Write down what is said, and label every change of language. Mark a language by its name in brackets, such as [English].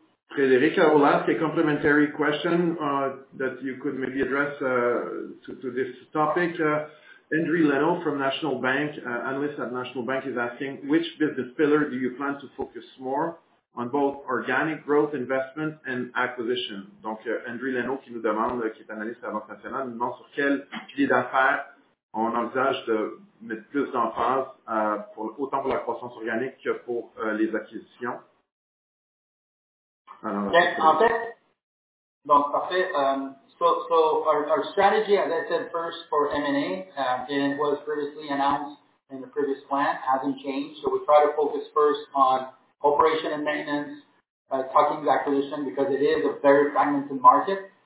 [English] Frédéric, I will ask a complementary question that you could maybe address to this topic. Andrew Leno from National Bank, analyst at National Bank, is asking, which business pillar do you plan to focus more on both organic growth investment and acquisition. [French] Donc, André Leno qui nous demande, qui est analyste à la Banque nationale, nous demande sur quel pilier d'affaires on envisage de mettre plus d'emphase pour, autant pour la croissance organique que pour les acquisitions. [English] So our strategy, as I said first, for M&A, and it was previously announced in the previous plan, hasn't changed. So we try to focus first on operation and maintenance, tuck-in acquisition, because it is a very fragmented market.